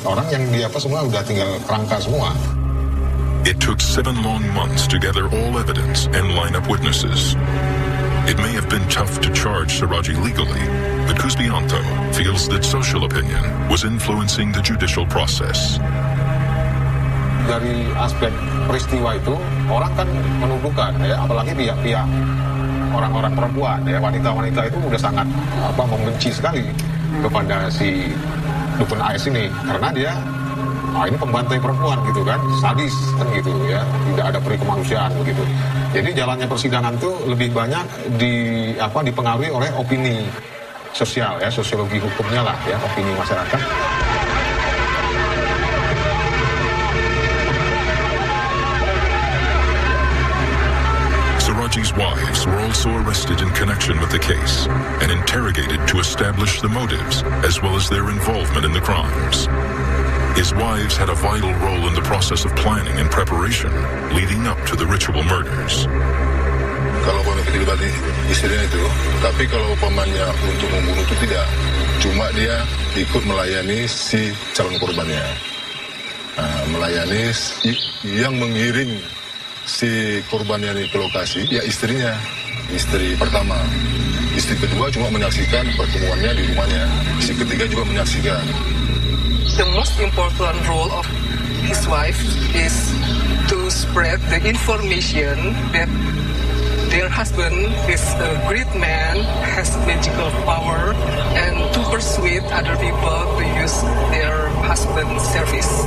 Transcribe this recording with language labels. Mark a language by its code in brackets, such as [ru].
[id] Orang yang di apa semua udah tinggal kerangka semua. [en] It took 7 long months to gather all evidence and line up witnesses. It may have been tough to charge Suradji legally, but Kuzbianto feels that social opinion was influencing the judicial process. [id] Dari aspek peristiwa itu, orang kan menuduhkan, ya, apalagi pihak-pihak orang-orang perempuan, ya, wanita-wanita itu sudah sangat apa membenci sekali kepada si dukun AS ini, karena dia ini pembantai perempuan gitu kan, sadis kan gitu ya, tidak ada peri kemanusiaan begitu. Jadi jalannya persidangan itu lebih banyak dipengaruhi oleh opini sosial ya, sosiologi hukumnya lah ya, opini masyarakat. [en] Suradji's wives were also arrested in connection with the case and interrogated to establish the motives as well as their involvement in the crimes. His wives had a vital role in the process of planning and preparation leading up to the ritual murders. [id] Kalau pun begitu tadi istrinya itu, tapi kalau pamannya untuk membunuh itu tidak, cuma dia ikut melayani si calon korbannya, melayani si, yang mengiring si korbannya ini ke lokasi, ya istrinya, istri pertama. Istri kedua cuma menyaksikan pertemuannya di rumahnya, istri ketiga juga menyaksikan. [en] The most important role of his wife is to spread the information that their husband is a great man, has magical power, and to persuade other people to use their husband's service.